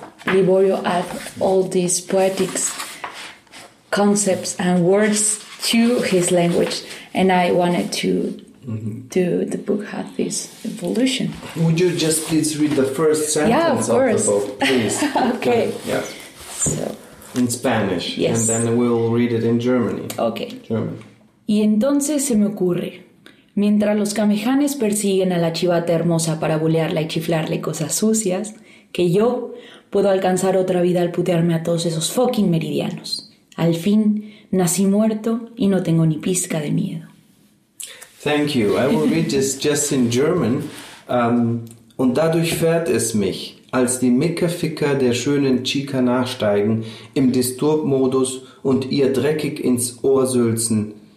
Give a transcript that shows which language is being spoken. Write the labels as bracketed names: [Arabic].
[English] Livorio add all these poetics concepts and words to his language, and I wanted to to the book had this evolution. Would you just please read the first sentence of the book, please? Okay. In Spanish. Yes. And then we'll read it in Germany. Okay. German. [Spanish] Y entonces se me ocurre, mientras los camejanes persiguen a la chivata hermosa para bulearla y chiflarle cosas sucias, que yo puedo alcanzar otra vida al putearme a todos esos fucking meridianos. Al fin, nací muerto y no tengo ni pizca de miedo. [English] Thank you. I will read this just in German. [German] Und dadurch fährt es mich, als die Mickerficker der schönen Chica nachsteigen, im Disturb-Modus und ihr dreckig ins Ohr sülzen.